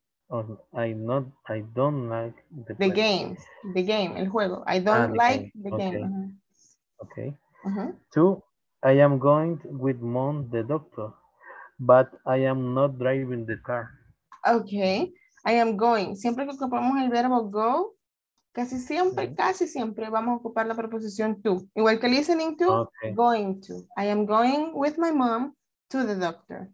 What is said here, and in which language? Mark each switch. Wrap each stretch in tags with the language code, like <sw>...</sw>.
<en>I don't like the game. The game,</en> <es>el juego.</es> <en>I don't like the game. Okay. Two, I am going with mom, the doctor, but I am not driving the car. Okay. I am going.</en> <es>Siempre que ocupamos el verbo go, casi siempre vamos a ocupar la preposición to. Igual que</es> <en>listening to, going to. I am going with my mom to the doctor.</en>